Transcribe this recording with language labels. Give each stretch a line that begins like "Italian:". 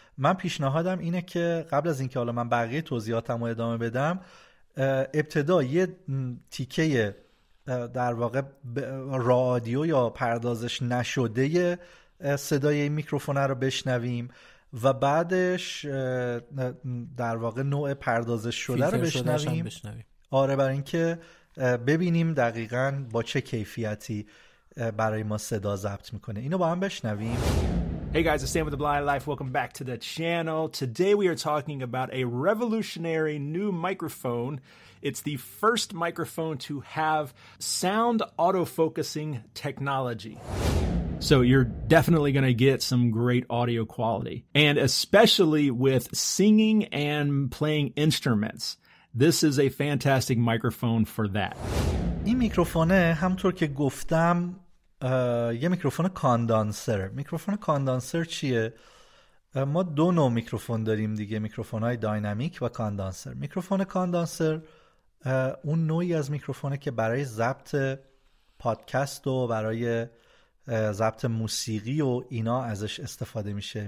Persian: من پیشنهادم اینه که قبل از اینکه حالا من بقیه توضیحاتم رو ادامه بدم، ابتدا یه تیکه در واقع رادیو یا پردازش نشده صدای این میکروفونه رو بشنویم، و بعدش در واقع نوع پردازش شده رو بشنویم. آره، برای اینکه ببینیم دقیقاً با چه کیفیتی برای ما صدا ضبط میکنه. اینو با هم بشنویم.
English: Hey guys, it's Sam with The Blind Life. Welcome back to the channel. Today we are talking about a revolutionary new microphone. It's the first microphone to have sound autofocusing technology. So you're definitely going to get some great audio quality. And especially with singing and playing instruments, this is a fantastic microphone for that.
Persian: این میکروفونه همطور که گفتم یه میکروفون کاندانسر. میکروفون کاندانسر چیه؟ ما دو نوع میکروفون داریم دیگه، میکروفون های داینامیک و کاندانسر. میکروفون کاندانسر اون نوعی از میکروفونه که برای ضبط پادکست و برای ضبط موسیقی و اینا ازش استفاده میشه.